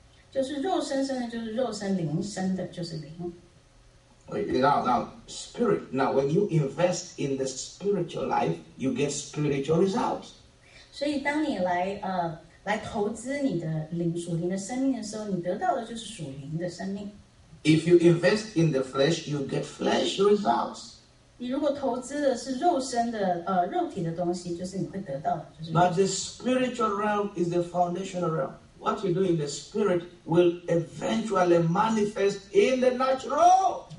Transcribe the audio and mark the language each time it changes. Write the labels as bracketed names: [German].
[Chinese] 就是肉生生的，就是肉生灵生的，就是灵。 [English] Now, spirit. Now, when you invest in the spiritual life, you get spiritual results. [Chinese] 所以，当你来投资你的灵属灵的生命的时候，你得到的就是属灵的生命。 [English] If you invest in the flesh, you get flesh results. [Chinese] 你如果投资的是肉身的肉体的东西，就是你会得到的，就是。 [English] But the spiritual realm is the foundational realm. What you do in the spirit will eventually manifest in the natural.